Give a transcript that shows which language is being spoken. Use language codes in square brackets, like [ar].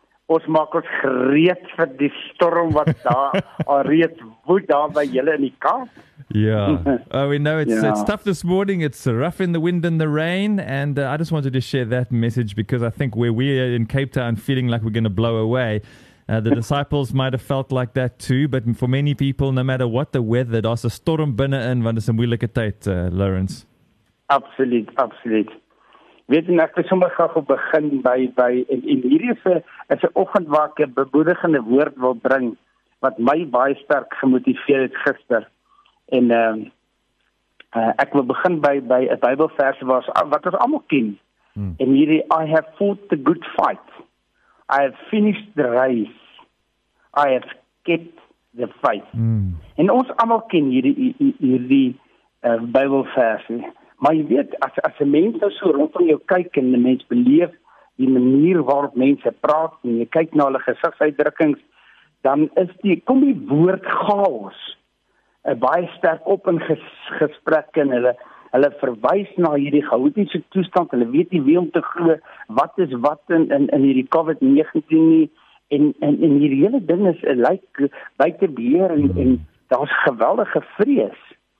[af] Ons maak ons gereed vir die storm wat daar alreeds woed daar by julle in die kamp. [en] Yeah. Oh, we know it's tough this morning. It's rough in the wind and the rain. And I just wanted to share that message because I think where we are in Cape Town feeling like we're going to blow away, the disciples might have felt like that too. But for many people, no matter what the weather, there's a storm [af] binne in, want [en] it's a [af] moeilike tyd, [en] Louwerens. Absolutely. [af] Weet jy, ek wil sommer graag op begin by en hierdie is 'n oggend waar ek 'n bemoedigende woord wil bring wat my baie sterk gemotiveer het gister. En ek wil begin by 'n Bybelvers wat ons almal ken. En hierdie, [en] I have fought the good fight. I have finished the race. I have kept the faith. [af] En ons almal ken hierdie Bybelvers. Maar jy weet, as een mens nou so rondom jou kyk en die mens beleef die manier waarop mense praat en jy kyk na hulle gesigsuitdrukkings, dan is kom die woord chaos baie sterk op in gesprek en hulle verwys na hierdie chaotiese toestand, hulle weet nie wie om te glo, wat is wat in hierdie COVID-19 nie, en hierdie hele ding is like, buite beheer en daar is geweldige vrees.